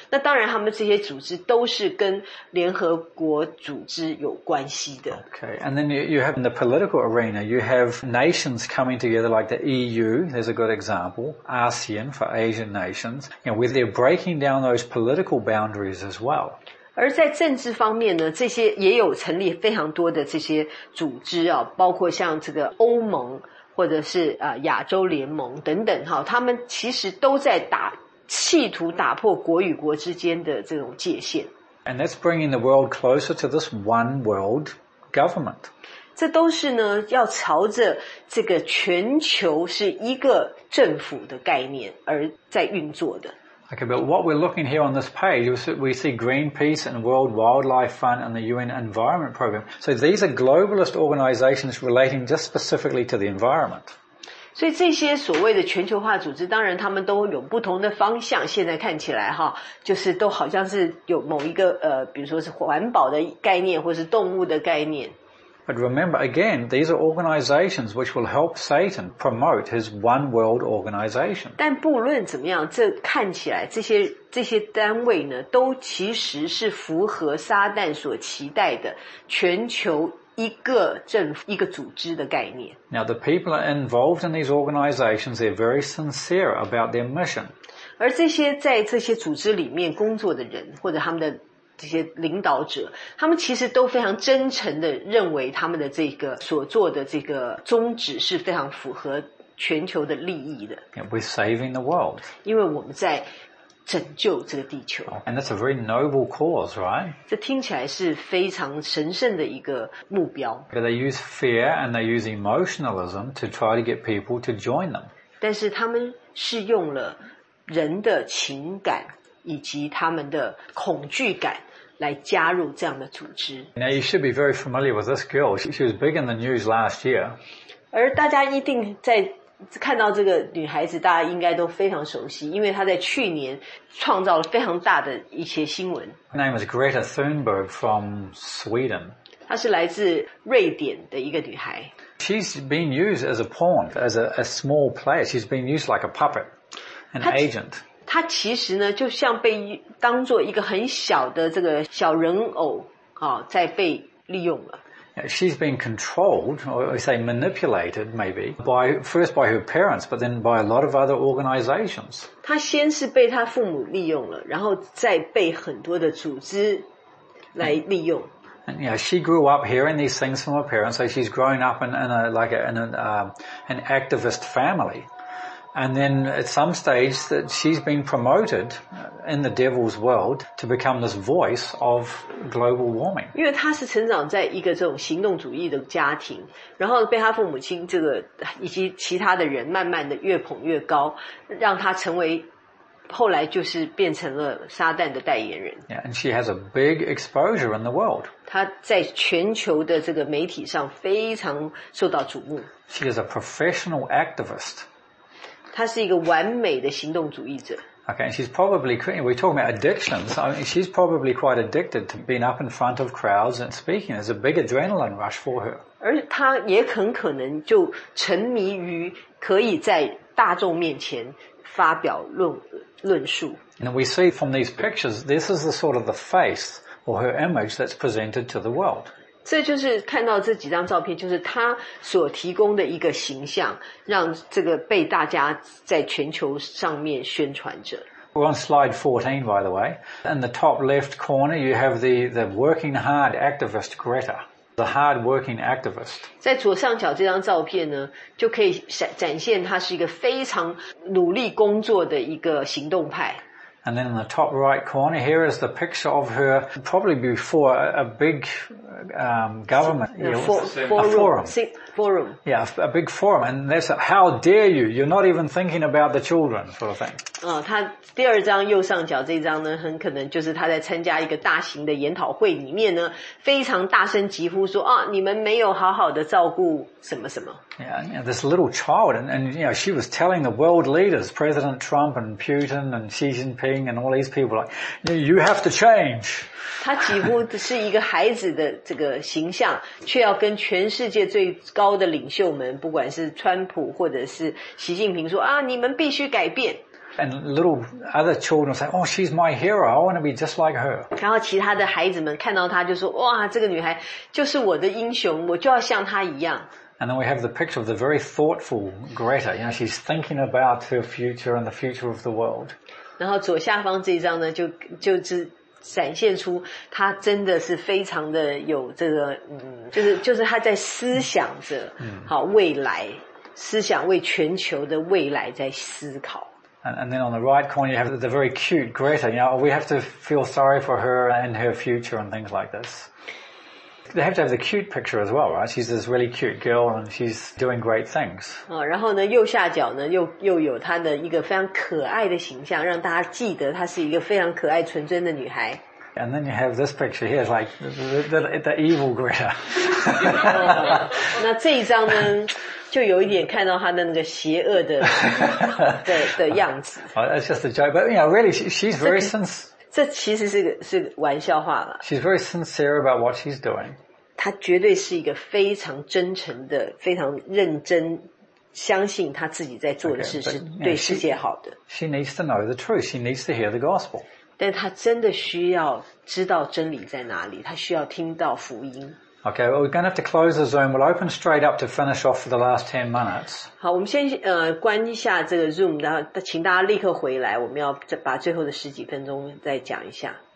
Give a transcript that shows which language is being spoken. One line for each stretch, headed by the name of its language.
Chinese: 那当然，他们这些组织都是跟联合国组织有关系的。
English: Okay, and then you have in the political arena, you have nations coming together like the EU, there's a good example, ASEAN for Asian nations, you know, where they're breaking down those political boundaries as well.
Chinese: 而在政治方面呢，这些也有成立非常多的这些组织啊，包括像这个欧盟或者是亚洲联盟等等哈，他们其实都在企图打破国与国之间的这种界限。
English: And that's bringing the world closer to this one world government.
Chinese: 这都是呢，要朝着这个全球是一个政府的概念而在运作的。
English: Okay, but what we're looking here on this page, we see Greenpeace and World Wildlife Fund and the UN Environment Program. So these are globalist organizations relating just specifically to the environment.
Chinese: 所以这些所谓的全球化组织，当然他们都有不同的方向。现在看起来哈，就是都好像是有某一个比如说是环保的概念，或是动物的概念。
English: But remember, again, these are organizations which will help Satan promote his one world organization.
Chinese: 但不论怎么样，这看起来这些单位呢，都其实是符合撒旦所期待的全球一个政府、一个组织的概念。
English: Now, the people are involved in these organizations, they're very sincere about their mission.
Chinese: 而这些在这些组织里面工作的人，或者他们的这些领导者，他们其实都非常真诚地认为他们的这个所做的这个宗旨是非常符合全球的利益的。
English: Yeah, we're saving the world.
Chinese: 因为我们在拯救这个地球。
English: And that's a very noble cause, right?
Chinese: 这听起来是非常神圣的一个目标。
English: But they use fear and they use emotionalism to try to get people to join them.
Chinese: 但是他们是用了人的情感以及他们的恐惧感来加入这样的组织。
English: Now you should be very familiar with this girl. She was big in the news last year.
Chinese: 而大家一定在看到这个女孩子，大家应该都非常熟悉，因为她在去年创造了非常大的一些新闻。
English: Her name is Greta Thunberg from Sweden.
Chinese: 她是来自瑞典的一个女孩。
English: She's been used as a pawn, as a small player. She's been used like a puppet, an agent.
Chinese: 他其实呢，就像被当作一个很小的这个小人偶啊，在被利用了。
English: She's been controlled, or I say manipulated, maybe first by her parents, but then by a lot of other organizations.
Chinese: 他先是被他父母利用了，然后再被很多的组织来利用。
English: And yeah, she grew up hearing these things from her parents, so she's grown up in an activist family. And then at some stage that she's been promoted in the devil's world to become this voice of global warming.
Chinese: 因为她是成长在一个这种行动主义的家庭，然后被她父母亲这个以及其他的人慢慢的越捧越高，让她成为后来就是变成了撒旦的代言人。
English: Yeah, and she has a big exposure in the world.
Chinese: 她在全球的这个媒体上非常受到瞩目。
English: She is a professional activist.
Chinese: 她是一个完美的行动主义者。
English: Okay, and she's probably, we're talking about addictions, I mean, she's probably quite addicted to being up in front of crowds and speaking. There's a big adrenaline rush for her.
Chinese: 而她也很可能就沉迷于可以在大众面前发表论述。
English: And we see from these pictures, this is the sort of the face or her image that's presented to the world.
Chinese: 这就是看到这几张照片，就是他所提供的一个形象，让这个被大家在全球上面宣传着。
English: We're on slide 14, by the way. In the top left corner, you have the working hard activist Greta. a hard-working activist.
Chinese: 在左上角这张照片呢，就可以展现他是一个非常努力工作的一个行动派。
English: And then in the top right corner, here is the picture of her, probably before a big, government. A forum. Yeah, a big forum. And they said, how dare you? You're not even thinking about the children, sort of thing.
Chinese: 他第二张右上角这张呢，很可能就是他在参加一个大型的研讨会里面呢，非常大声疾呼说，你们没有好好的照顾什么什么。
English: Yeah, you know, this little child, and you know, she was telling the world leaders, President Trump and Putin and Xi Jinping and all these people, like, you have to change.
Chinese: 她几乎是一个孩子的这个形象，却要跟全世界最高的领袖们，不管是川普或者是习近平说，你们必须改变。
English: And little other children say, oh, she's my hero. I want to be just like her.
Chinese: 然后其他的孩子们看到她就说，哇，这个女孩就是我的英雄，我就要像她一样。
English: And then we have the picture of the very thoughtful Greta. You know, she's thinking about her future and the future of the world.
Chinese: 然后左下方这一张呢，就是展现出她真的是非常的有这个，就是她在思想着，好未来，思想为全球的未来在思考。
English: And then on the right corner, you have the very cute Greta. You know, we have to feel sorry for her and her future and things like this. They have to have the cute picture as well, right? She's this really cute girl and she's doing great things.
Chinese: 然后呢，右下角呢，又有她的一个非常可爱的形象，让大家记得她是一个非常可爱纯真的女孩。
English: And then you have this picture here, like the evil Greta.
Chinese: 那这一张呢？就有一点看到他的那个邪恶的的样子。
English: Oh, that's just a joke. But you know, really, she's very sincere.
Chinese: 这其实是玩笑话了。
English: She's very sincere about what she's doing.
Chinese: 她绝对是一个非常真诚的、非常认真相信她自己在做的事是对世界好的。
English: Okay, but, you know, she needs to know the truth. She needs to hear the gospel.
Chinese: 但她真的需要知道真理在哪里，她需要听到福音。
English: Okay, well, we're going to have to close the Zoom. We'll open straight up to finish off for the last 10 minutes.
Chinese: 好，我们先关一下这个 Zoom， 然后请大家立刻回来，我们要把最后的十几分钟再讲一下。